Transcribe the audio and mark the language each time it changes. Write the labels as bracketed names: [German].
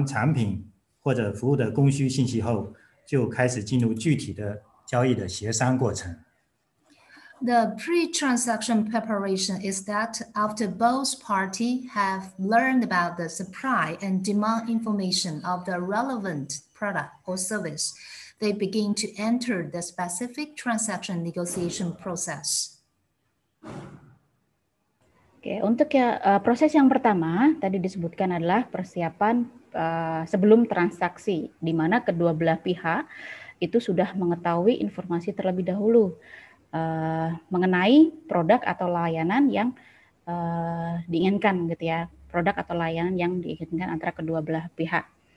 [Chinese] 第一步交易前的准备就是交易双方都了解了有关产品或者服务的供需信息后， 就开始进入具体的交易的协商过程。 [English] The pre-transaction preparation is that after both parties have learned about the supply and demand information of the relevant product or service, they begin to enter the specific transaction negotiation process. [Indonesian] Oke, untuk ya proses yang pertama tadi disebutkan adalah persiapan sebelum transaksi, di mana kedua belah pihak itu sudah mengetahui informasi terlebih dahulu mengenai produk atau layanan yang diinginkan, gitu ya, produk atau layanan yang diinginkan antara kedua belah pihak.